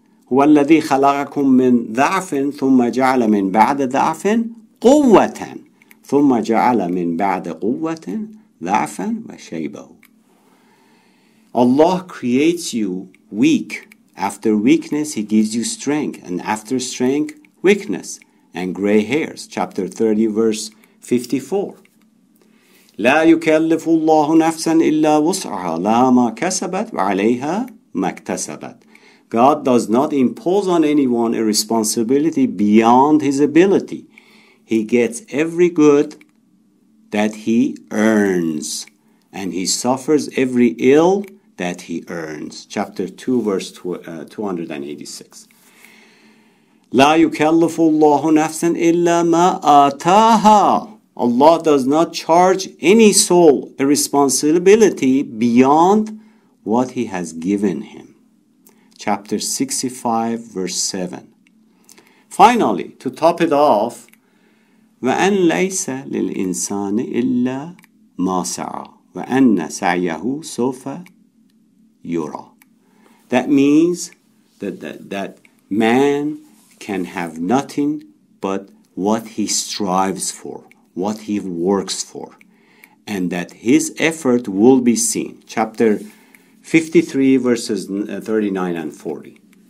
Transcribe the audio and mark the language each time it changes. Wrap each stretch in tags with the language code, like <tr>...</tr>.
<ar>وَالَّذِي خَلَقَكُم مِّن ضَعْفٍ ثُمَّ جَعَلَ مِن بَعْدَ ضَعْفٍ قُوَّةً ثُمَّ جَعَلَ مِن بَعْدَ قُوَّةٍ ضَعْفًا وَشَيْبًا.</ar> <en>Allah creates you weak. After weakness, he gives you strength. And after strength, weakness and gray hairs. Chapter 30, verse 54.</en> <ar>لا يكلف الله نفسا إلا وسعها لها ما كسبت وعليها ما اكتسبت.</ar> <en>God does not impose on anyone a responsibility beyond his ability. He gets every good that he earns, and he suffers every ill that he earns. Chapter 2, verse 286.</en> <ar>لا يكلف الله نفسا إلا ما آتاها.</ar> <en>Allah does not charge any soul a responsibility beyond what he has given him. Chapter 65, verse 7. Finally, to top it off,</en> <ar>وَأَنْ لَيْسَ لِلْإِنسَانِ إِلَّا مَا سَعَى وَأَنَّ سَعْيَهُ سَوْفَ يُرَى.</ar> <en>That means that man can have nothing but what he strives for, what he works for, and that his effort will be seen. Chapter 53, verses 39 and 40.</en>